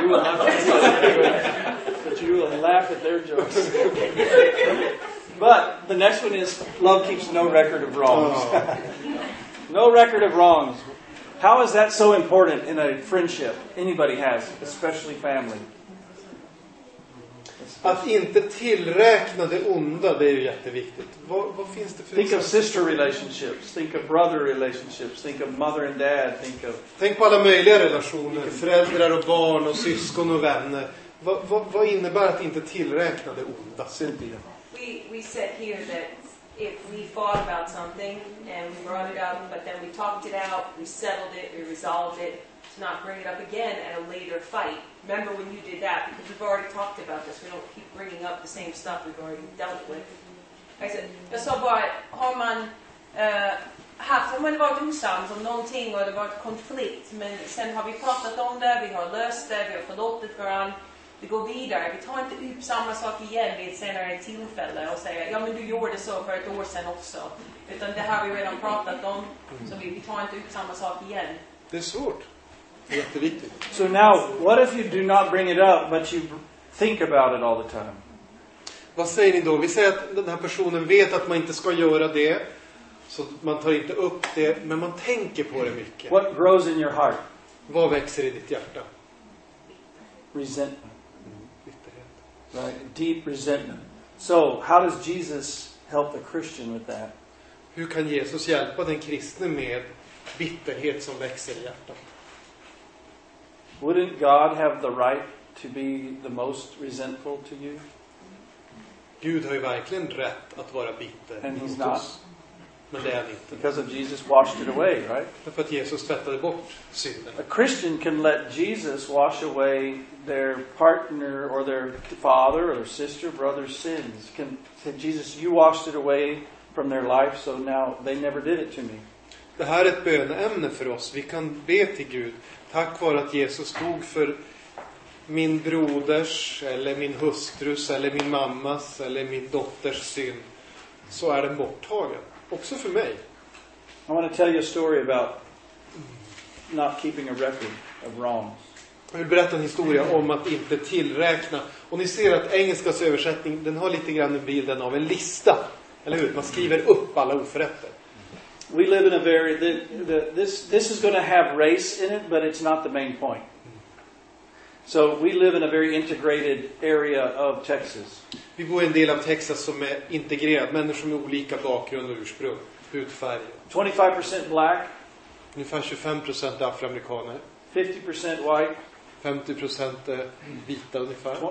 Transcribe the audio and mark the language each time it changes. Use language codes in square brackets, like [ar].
[en] You will have to laugh, but you will laugh at their jokes. But the next one is, love keeps no record of wrongs. No record of wrongs. How is that so important in a friendship anybody has, especially family? [sv] Att inte tillräkna det onda, det är ju jätteviktigt. Vad finns det för... [en] Think of sister relationships, think of brother relationships, think of mother and dad, think of... [sv] Tänk på alla möjliga relationer, föräldrar och barn och syskon och vänner. Vad innebär att inte tillräkna det onda? Cynthia. [en] We said here that if we fought about something and we brought it up, but then we talked it out, we settled it, we resolved it, to not bring it up again at a later fight. Remember when you did that, because we've already talked about this. We don't keep bringing up the same stuff we've already dealt with. I said, [sv] jag sa bara, har man varit osams om någonting och det varit konflikt, men sen har vi pratat om det, vi har löst det, vi har förlåtit varandra, vi går vidare. Vi tar inte upp samma sak igen vid ett senare tillfälle och säger, ja men du gjorde så för ett år sedan också. Utan det har vi redan pratat om, så vi tar inte upp samma sak igen. Det är svårt. [en] So now, what if you do not bring it up, but you think about it all the time? [sv] Vad säger ni då? Vi säger att den här personen vet att man inte ska göra det, så man tar inte upp det, men man tänker på det mycket. [en] What grows in your heart? [sv] Vad växer i ditt hjärta? [en] Resentment. Bitterhet. Right, deep resentment. So, how does Jesus help the Christian with that? [sv] Hur kan Jesus hjälpa den kristne med bitterhet som växer i hjärtat? [en] Wouldn't God have the right to be the most resentful to you? [sv] Gud har ju verkligen rätt att vara bitter. [en] And he's not. [sv] Men det är han inte. [en] Because of Jesus washed it away, right? [sv] För att Jesus tvättade bort synden. [en] A Christian can let Jesus wash away their partner or their father or sister, brother's sins. Can say, Jesus, you washed it away from their life, so now they never did it to me. [sv] Det här är ett böneämne för oss. Vi kan be till Gud. Tack vare att Jesus dog för min broders eller min hustrus eller min mammas eller min dotters synd, så är den borttagen också för mig. [en] I want to tell you a story about not keeping a record of wrongs. [sv] Jag vill berätta en historia om att inte tillräkna. Och ni ser att engelskas översättning, den har lite grann en bilden av en lista, eller hur? Man skriver upp alla oförrätter. [en] We live in a very this is going to have race in it, but it's not the main point. So we live in a very integrated area of Texas. [sv] Vi bor i en del av Texas som är integrerad, människor med olika bakgrund och ursprung, hudfärg. [en] 25% black. [sv] Ungefär 25% afroamerikaner. [en] 50% white. [sv] 50% vita ungefär.